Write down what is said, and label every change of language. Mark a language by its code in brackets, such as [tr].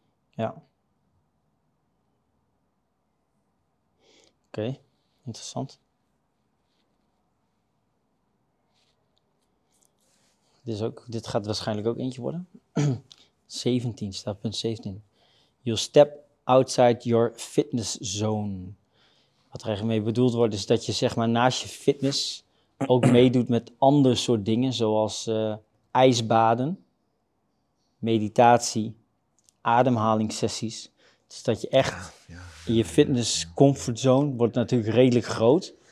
[nl] Ja. Oké, interessant. Dit gaat waarschijnlijk ook eentje worden. 17, staat punt 17. [en] You'll step outside your fitness zone. [nl] Wat er eigenlijk mee bedoeld wordt, is dat je zeg maar naast je fitness ook meedoet met andere soort dingen, zoals ijsbaden, meditatie, ademhalingssessies. Dus dat je echt in je fitness comfortzone wordt natuurlijk redelijk groot.